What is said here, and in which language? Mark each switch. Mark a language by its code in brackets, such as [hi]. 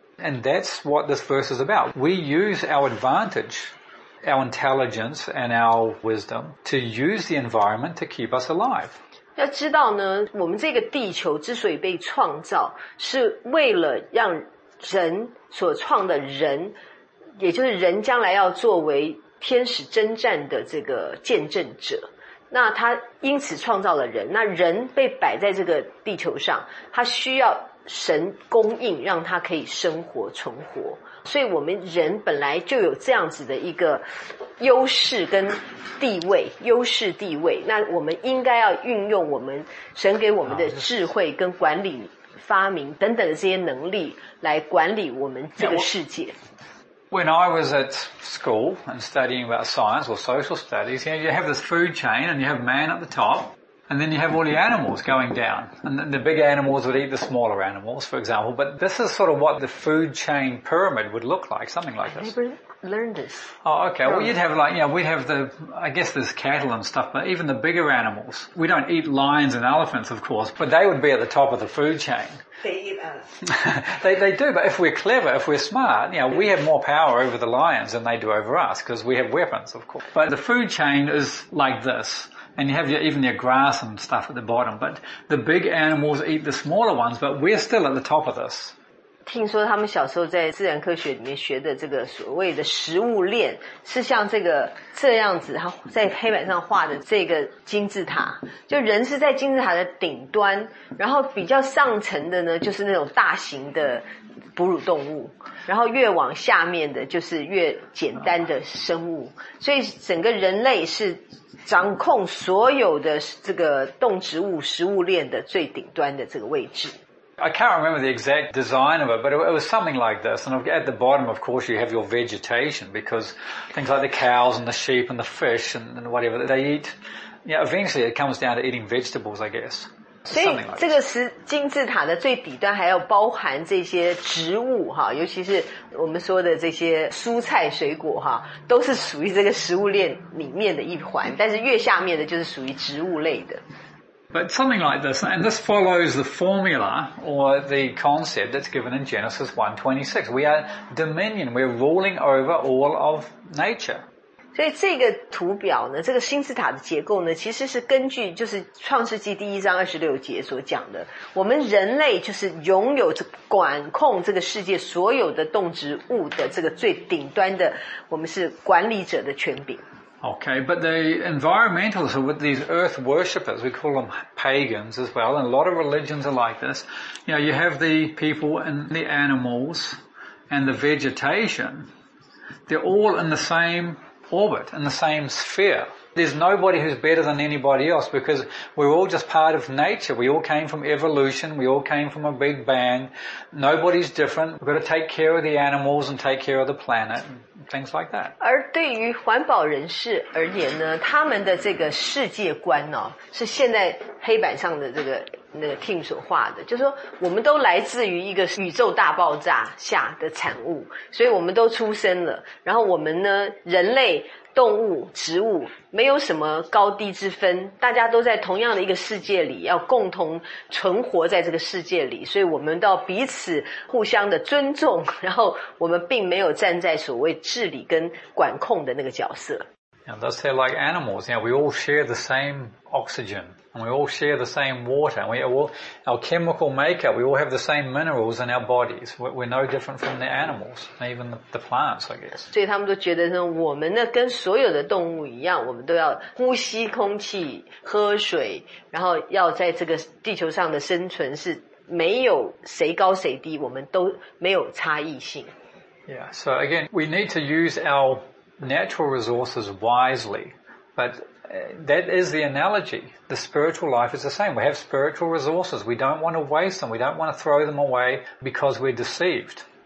[en] And that's what this verse is about. We use our advantage, our intelligence and our wisdom to use the environment to keep us alive. [zh] 要知道呢，我们这个地球之所以被创造，是为了让人所创的人，也就是人将来要作为天使征战的这个见证者，那他因此创造了人，那人被摆在这个地球上，他需要神供应，让他可以生活存活。所以我们人本来就有这样子的一个优势跟地位，优势地位，那我们应该要运用我们神给我们的智慧跟管理发明等等的这些能力来管理我们这个世界。 [en] When I was at school and studying about science or social studies, you know, you have this food chain and you have man at the top and then you have all the animals going down and the big animals would eat the smaller animals, for example. But this is sort of what the food chain pyramid would look like, something like this. I never learned this. Oh, okay. Well, you'd have like, you know, we'd have the, I guess there's cattle and stuff, but even the bigger animals, we don't eat lions and elephants, of course, but they would be at the top of the food chain. They eat us. They do, but if we're clever, if we're smart, you know, we have more power over the lions than they do over us because we have weapons, of course. But the food chain is like this, and you have even your grass and stuff at the bottom, but the big animals eat the smaller ones, but we're still at the top of this. [zh] 听说他们小时候在自然科学里面学的这个所谓的食物链是像这样子，他在黑板上画的这个金字塔，就人是在金字塔的顶端，然后比较上层的呢就是那种大型的哺乳动物，然后越往下面的就是越简单的生物，所以整个人类是掌控所有的这个动植物食物链的最顶端的这个位置。 [en] I can't remember the exact design of it, but it was something like this. And at the bottom, of course, you have your vegetation because things like the cows and the sheep and the fish and whatever that they eat. Yeah, eventually it comes down to eating vegetables, I guess. Something like this. [zh] 所以这个金字塔的最底端还要包含这些植物，尤其是我们说的这些蔬菜水果，都是属于这个食物链里面的一环，但是越下面的就是属于植物类的。 [en] But something like this, and this follows the formula or the concept that's given in Genesis 1:26. We are dominion, we're ruling over all of nature. [zh] 所以这个图表呢，这个金字塔的结构呢，其实是根据就是创世纪第一章26节所讲的，我们人类就是拥有管控这个世界所有的动植物的这个最顶端的，我们是管理者的权柄。 [en] Okay, but the environmentalists, with these earth worshippers, we call them pagans as well, and a lot of religions are like this. You know, you have the people and the animals and the vegetation, they're all in the same orbit, in the same sphere. There's nobody who's better than anybody else because we're all just part of nature. We all came from evolution. We all came from a big bang. Nobody's different. We've got to take care of the animals and take care of the planet. Things like that. [zh] 而对于环保人士而言呢，他们的这个世界观哦，是现在黑板上的这个那个 Tim 所画的，就是说我们都来自于一个宇宙大爆炸下的产物，所以我们都出生了，然后我们呢，人类、动物、植物没有什么高低之分，大家都在同样的一个世界里，要共同存活在这个世界里，所以我们都要彼此互相的尊重，然后我们并没有站在所谓治理跟管控的那个角色。 [en] And thus they're like animals. Yeah, we all share the same oxygen, and we all share the same water, and we all, our chemical makeup, we all have the same minerals in our bodies. We're no different from the animals, even the plants, I guess. [zh] 所以他们都觉得说，我们呢跟所有的动物一样，我们都要呼吸空气、喝水，然后要在这个地球上的生存是没有谁高谁低，我们都没有差异性。 [en] Yeah, so again, we need to use our natural resources wisely, but that is the analogy. The spiritual life is the same. We have spiritual resources. We don't want to waste them. We don't want to throw them away because we're deceived.